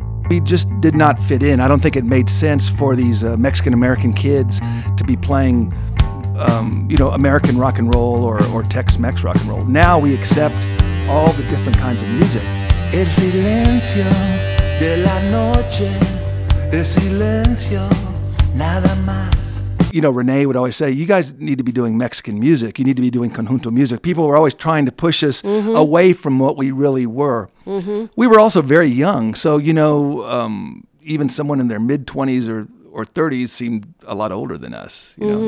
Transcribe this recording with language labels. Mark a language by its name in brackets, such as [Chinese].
[English] We just did not fit in. I don't think it made sense for these Mexican-American kids to be playing, American rock and roll or Tex-Mex rock and roll. Now we accept all the different kinds of music. [Spanish] El silencio de la noche, el silencio, nada más. [English] You know, Renee would always say, you guys need to be doing Mexican music. You need to be doing conjunto music. People were always trying to push us mm-hmm. away from what we really were. Mm-hmm. We were also very young. So, you know, even someone in their mid-20s or 30s seemed a lot older than us. You mm-hmm.